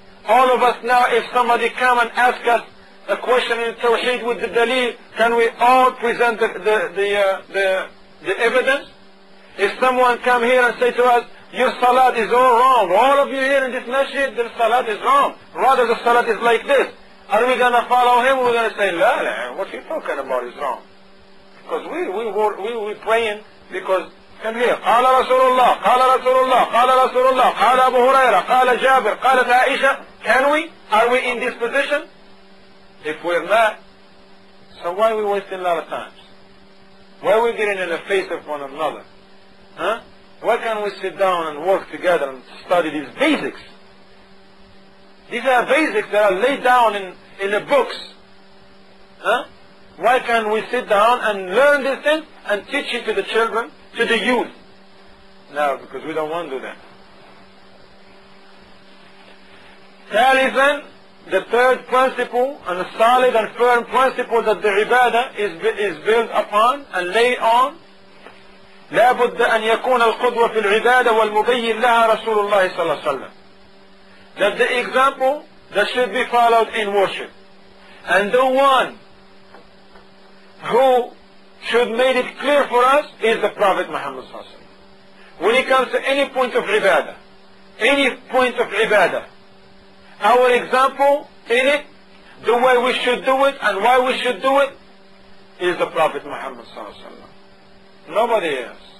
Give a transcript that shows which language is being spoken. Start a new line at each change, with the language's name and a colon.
English: All of us now, if somebody come and ask us a question in Tawheed with the Dalil, can we all present the evidence? If someone come here and say to us, your Salat is all wrong, all of you here in this masjid, the Salat is wrong, rather the Salat is like this, are we going to follow him? We're going to say, la, la, what you talking about is wrong. Because we were praying, because come here,
Arabic: قال رسول الله, قال رسول الله, قال رسول الله, قال أبو هريرة, قال جابر, قال عائشة.
English: Can we? Are we in this position? If we're not, so why are we wasting a lot of time? Why are we getting in the face of one another? Why can't we sit down and work together and study these basics? These are basics that are laid down in the books. Why can't we sit down and learn this thing and teach it to the children, to the youth? No, because we don't want to do that. Talisman, the third principle, and a solid and firm principle that the ibadah is built upon and laid on.
Arabic: لا بد أن يكون القدوة في العبادة والمبين لها رسول الله صلى الله عليه وسلم.
English: That the example that should be followed in worship. And the one who should make it clear for us is the Prophet Muhammad صلى الله عليه وسلم. When it comes to any point of ibadah, any point of ibadah, our example in it, the way we should do it and why we should do it, is the Prophet Muhammad صلى الله عليه وسلم. Nobody else.